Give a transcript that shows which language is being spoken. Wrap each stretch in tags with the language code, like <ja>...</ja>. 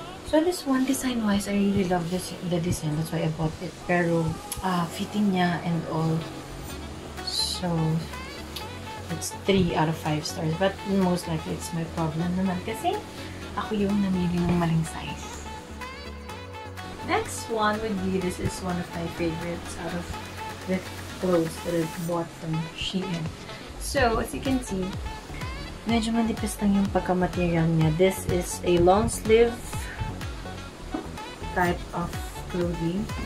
<en>So this one, design-wise, I really love this, the design, that's why I bought it. Pero, fitting niya and all. So, it's 3 out of 5 stars. But most likely, it's my problem naman.</en> <tl>Kasi, ako yung namili ng maling size.</tl> <en>Next one would be, this is one of my favorites out of the clothes that I bought from Shein.</en> <tl>So, as you can see, medyo manipis lang yung pagka-material niya.</tl> <en>This is a long sleeve type of clothing.</en>